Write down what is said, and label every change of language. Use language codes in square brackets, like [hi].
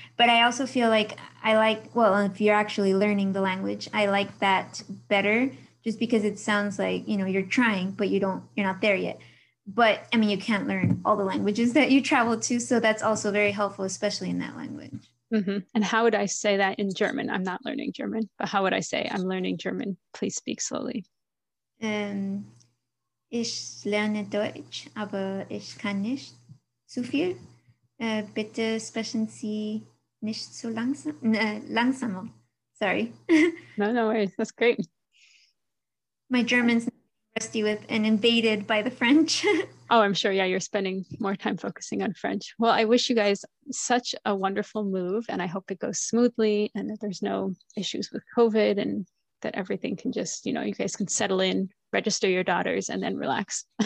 [en] But I also feel like if you're actually learning the language, I like that better, just because it sounds like, you know, you're trying, but you're not there yet. But I mean, you can't learn all the languages that you travel to. So that's also very helpful, especially in that language. Mm-hmm. And how would I say that in German? I'm not learning German, but how would I say, I'm learning German, please speak slowly? [de] Ich lerne Deutsch, aber ich kann nicht so viel. Bitte sprechen Sie nicht so langsamer. [en] Sorry. No worries. That's great. My German's rusty with and invaded by the French. Oh, I'm sure. Yeah, you're spending more time focusing on French. Well, I wish you guys such a wonderful move, and I hope it goes smoothly and that there's no issues with COVID and that everything can just, you know, you guys can settle in, register your daughters, and then relax.